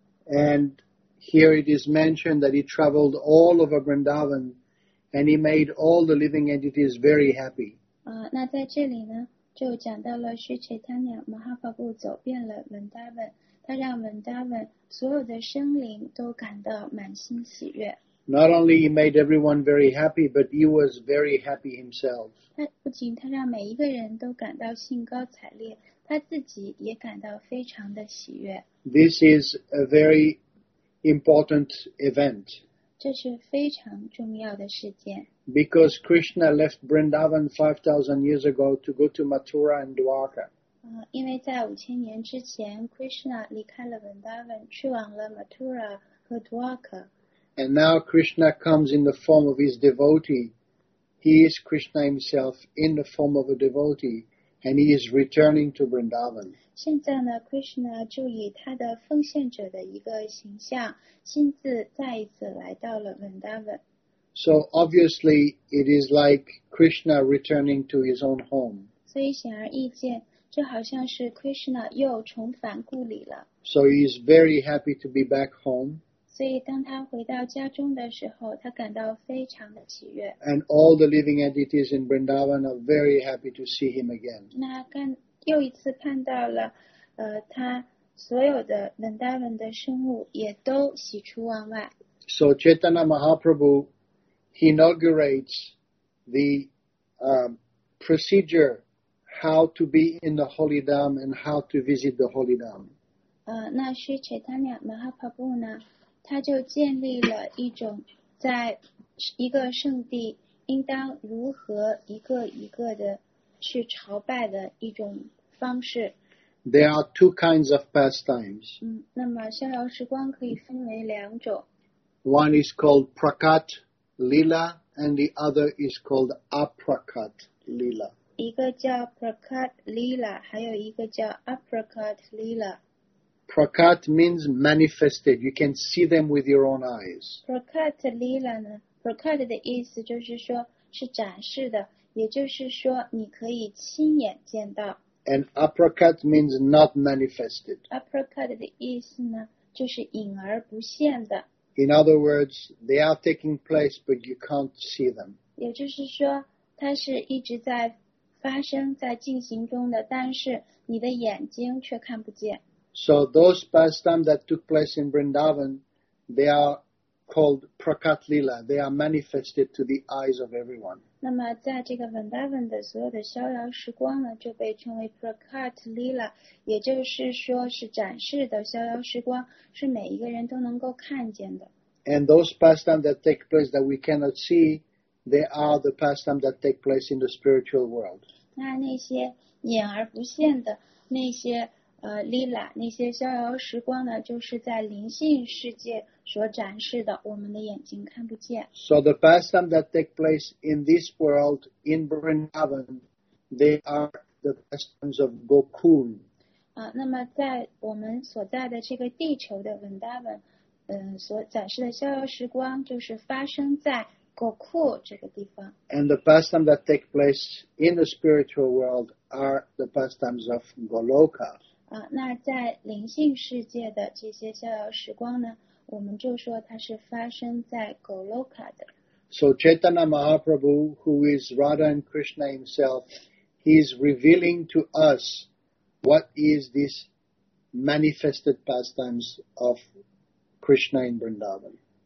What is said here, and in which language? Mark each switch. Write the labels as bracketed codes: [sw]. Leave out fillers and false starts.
[en] And here it is mentioned that he traveled all over Vrindavan and he made all the living entities very happy. [zh] 那在这里呢就讲到了 Sri Chaitanya Mahaprabhu 走遍了 Vrindavan, 他让 Vrindavan 所有的生灵都感到满心喜悦。 [en] Not only he made everyone very happy, but he was very happy himself. [zh] 他不仅他让每一个人都感到兴高采烈，他自己也感到非常的喜悦。 [en] This is a very important event. [zh] 这是非常重要的事件。 [en] Because Krishna left Vrindavan 5,000 years ago to go to Mathura and Dwarka. [zh] 因为在五千年之前 ，Krishna 离开了 Vrindavan， 去往了 Mathura 和 Dwarka。 [en] And now Krishna comes in the form of his devotee. He is Krishna himself in the form of a devotee, and he is returning to Vrindavan. [zh] 现在呢 ，Krishna 就以他的奉献者的一个形象，亲自再一次来到了 Vrindavan. [en] So obviously, it is like Krishna returning to his own home. [zh] 所以显而易见，这好像是 Krishna 又重返故里了。 [en] So he is very happy to be back home. [zh] 所以当他回到家中的时候，他感到非常的喜悦。 [en] And all the living entities in Vrindavan are very happy to see him again. [zh] 那看又一次看到了，他所有的 Vrindavan 的生物也都喜出望外。 [en] So Chaitanya Mahaprabhu inaugurates the procedure how to be in the Holy Dham and how to visit the Holy Dham. [zh] 那是 Chaitanya Mahaprabhu 呢，他就建立了一种在一个圣地应当如何一个一个的去朝拜的一种方式。 [en] There are two kinds of pastimes. [zh] 那么逍遥时光可以分为两种。 [en] One is called Prakat Lila, and the other is called Aprakat Lila. [zh] 一个叫 Prakat Lila, 还有一个叫 Aprakat Lila. [en] Prakat means manifested. You can see them with your own eyes. [zh] Prakat Lila 呢 ？Prakat 的意思就是说是展示的，也就是说你可以亲眼见到。 [en] And Aprakat means not manifested. [zh] Aprakat 的意思呢，就是隐而不现的。 [en] In other words, they are taking place, but you can't see them. [zh] 也就是说，它是一直在发生、在进行中的，但是你的眼睛却看不见。 [en] So those pastimes that took place in Vrindavan, they are called Prakat Lila. They are manifested to the eyes of everyone. [zh] 那么在这个 Vrindavan 的所有的逍遥时光呢，就被称为 Prakat Lila， 也就是说是展示的逍遥时光，是每一个人都能够看见的。 [en] And those pastimes that take place that we cannot see, they are the pastimes that take place in the spiritual world. [zh] 那些眼而不见的那些Lila， 那些逍遥时光呢，就是在灵性世界所展示的，我们的眼睛看不见。 [en] So the pastimes that take place in this world in Vrindavan, they are the pastimes of Gokul. [zh] 那么在我们所在的这个地球的 Vrindavan， 所展示的逍遥时光就是发生在 Gokul 这个地方。 [en] And the pastimes that take place in the spiritual world are the pastimes of Goloka. [zh] 那在灵性世界的这些逍遥时光呢，我们就说它是发生在 Goloka 的。 [en] So Chaitanya Mahaprabhu, who is Radha and Krishna himself, he is revealing to us what is this manifested pastimes of Krishna in Vrindavan.